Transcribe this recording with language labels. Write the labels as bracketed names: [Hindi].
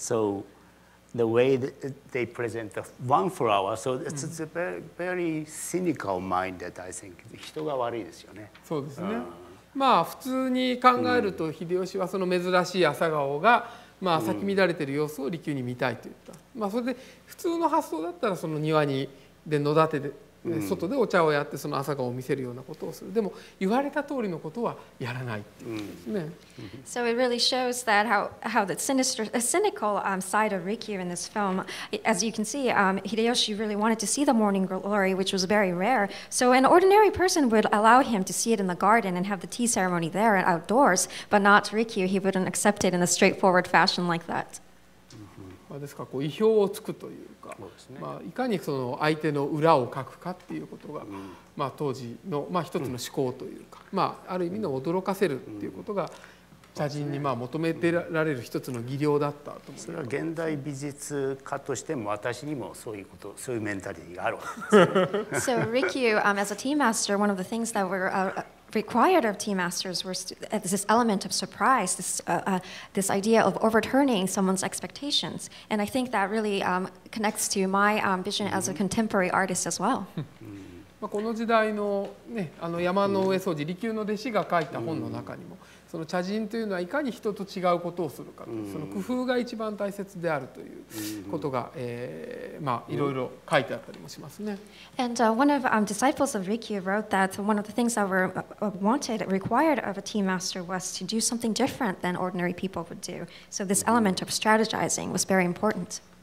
[English] So the way that they present the one flower, so it's a very, very cynical minded, I think. [Japanese] 人が悪いですよね。そうですね。まあ普通に考えると、秀吉はその珍しい朝顔が、まあ咲き乱れている様子を利休に見たいと言った。まあそれで普通の発想だったら、その庭にで野立てで外でお茶をやってその朝顔を見せるようなことをする。でも言われた通りのことはやらないっていうですね。 [English] So it really shows that how the sinister, the cynical side of Rikyu in this film. As you can see, Hideyoshi really wanted to see the morning glory, which was very rare. So an ordinary person would allow him to see it in the garden and have the tea ceremony there and outdoors, but not Rikyu. He wouldn't accept it in a straightforward fashion like that. [Japanese] ですからこう意表をつくというか、まあ、いかにその相手の裏を書くかっていうことが、まあ、当時の、まあ、一つの思考というか、まあ、ある意味の驚かせるっていうことが茶人にまあ求めてられる一つの技量だったと思います。それは現代美術家としても私にもそういうこと、そういうメンタリティがあるわけです。 [English] So Rikyu, as a tea master, one of the things that were required of tea masters was this element of surprise, this idea of overturning someone's expectations. And I think that really connects to my vision as a contemporary artist as well. [Japanese] まあこの時代のね、あの山の上掃除、利休の弟子が書いた本の中にも、その茶人というのはいかに人と違うことをするかと、その工夫が一番大切であるということが、まあいろいろ書いてあったりもしますね。 [English] And one of disciples of Rikyu wrote that one of the things that were wanted, required of a tea master was to do something different than ordinary people would do. So this element of strategizing was very important.